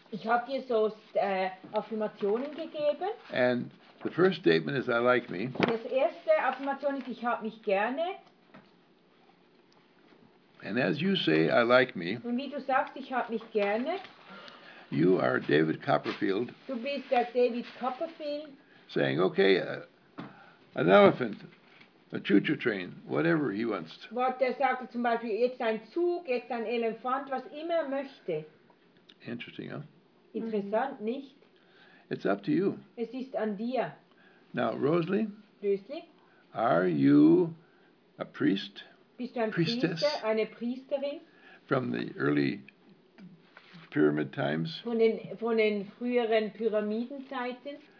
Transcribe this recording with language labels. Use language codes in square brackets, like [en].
[de] Ich habe dir so Affirmationen gegeben. [en] And the first statement is, I like me. [de] Das erste Affirmation ist, ich habe mich gerne. [en] And as you say, I like me. [de] Und wie du sagst, ich hab mich gerne. [en] You are David Copperfield. [de] Du bist der David Copperfield. [en] Saying, okay, an elephant. A choo-choo train, whatever he wants. [de] Was der sagt zum Beispiel jetzt ein Zug, jetzt ein Elefant, was immer möchte. [en] Interesting, huh? [de] Interessant, nicht? [en] It's up to you. [de] Es ist an dir. [en] Now, Rosalie. [de] Rosalie. [en] Are you a priest? [de] Bist du ein Priestess? Priester, eine Priesterin? [en] From the early pyramid times. [de] Von den früheren Pyramidenzeiten.